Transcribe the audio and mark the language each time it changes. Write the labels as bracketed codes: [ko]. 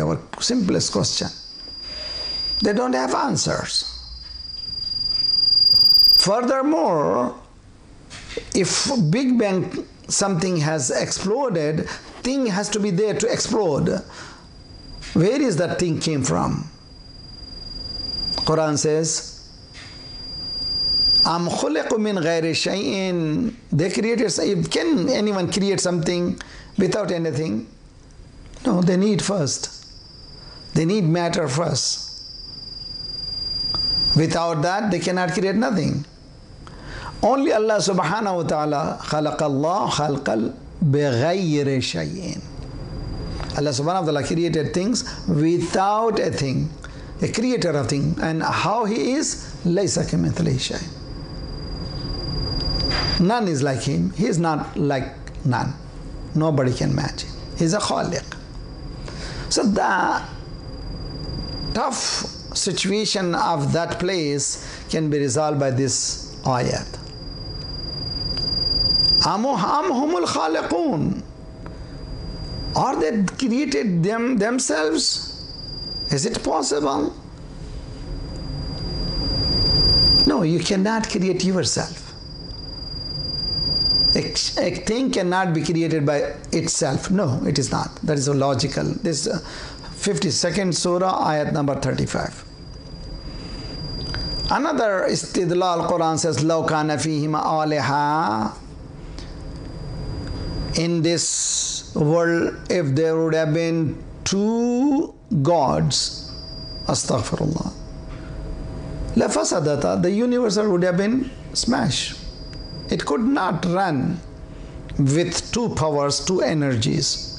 [en] Our simplest question. They don't have answers. Furthermore, if Big Bang, something has exploded, thing has to be there to explode. Where is that thing came from? Quran says, [ar] أَمْ خُلِقُ مِنْ غَيْرِ شَيْءٍ. [en] They created something. Can anyone create something without anything? No, they need first. They need matter first. Without that, they cannot create nothing. [ar] Only Allah subhanahu wa ta'ala خَلَقَ اللَّهُ خَلْقَ بِغَيْرِ شَيْءٍ. [en] Allah subhanahu wa ta'ala created things without a thing. A creator of things. And how He is? [ar] لَيْسَ كَمِثْلِهِ شَيْءٍ. [en] None is like Him. He is not like none. Nobody can match Him. He is a Khaliq. So the tough situation of that place can be resolved by this ayat. [ar] أَمْ هُمُ الْخَالِقُونَ. [en] Are they created themselves? Is it possible? No, you cannot create yourself. A thing cannot be created by itself. No, it is not. That is illogical. This 52nd surah, ayat number 35. Another istidlal, Quran says, [ar] لَوْ كَانَ فِيهِمَ آلِهَا. [en] In this world, if there would have been two gods, astaghfirullah, [ar] لَفَسَدَتَ, [en] the universe would have been smashed. It could not run with two powers, two energies.